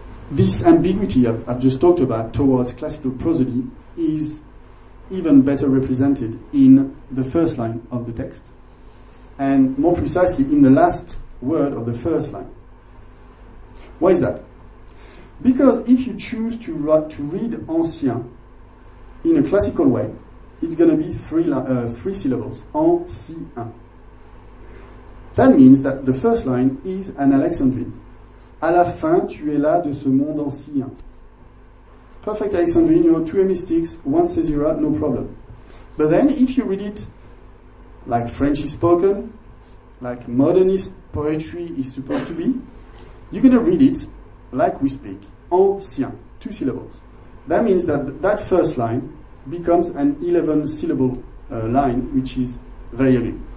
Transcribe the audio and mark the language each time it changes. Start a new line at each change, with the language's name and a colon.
English: This ambiguity I've just talked about towards classical prosody is even better represented in the first line of the text, and more precisely in the last word of the first line. Why is that? Because if you choose to read ancien in a classical way, it's going to be three syllables, ancien. That means that the first line is an Alexandrine.
French: À la fin, tu es là de ce monde ancien.
English: Perfect Alexandrine, you know, two hemistichs, one caesura, no problem. But then if you read it like French is spoken, like modernist poetry is supposed to be, you're going to read it like we speak, ancien, two syllables. That means that that first line becomes an 11-syllable line, which is very early.